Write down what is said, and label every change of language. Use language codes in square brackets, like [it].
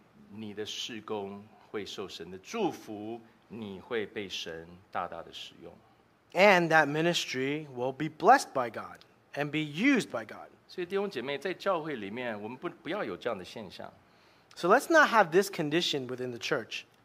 [zh] 你的事工会受神的祝福，你会被神大大的使用。 [en] And that ministry will be blessed by God and be used by God. [zh] 所以弟兄姐妹，在教会里面，我们不要有这样的现象。 [en] So let's not have this condition within the church.